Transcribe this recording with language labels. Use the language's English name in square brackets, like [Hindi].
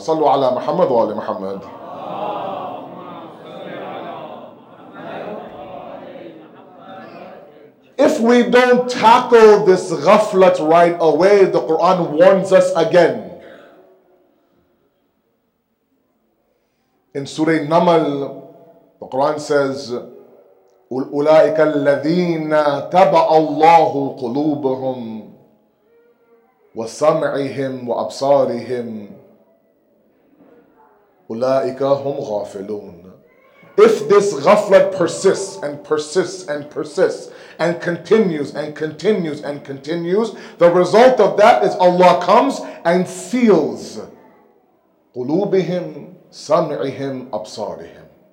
[English] Sallu ala Muhammad wa ali Muhammad. If we don't tackle this ghaflat right away, the Quran warns us again. In Surah Naml, the Quran says, [Arabic] أُولَٰئِكَ الَّذِينَ تَبَعَ اللَّهُ قُلُوبُهُمْ وَسَمْعِهِمْ وَأَبْصَارِهِمْ أُولَٰئِكَ هُمْ غَافِلُونَ. [English] If this ghaflat persists and persists and persists and continues and continues and continues, the result of that is Allah comes and seals [Arabic] قُلُوبِهِمْ سَمْعِهِمْ أَبْصَارِهِمْ.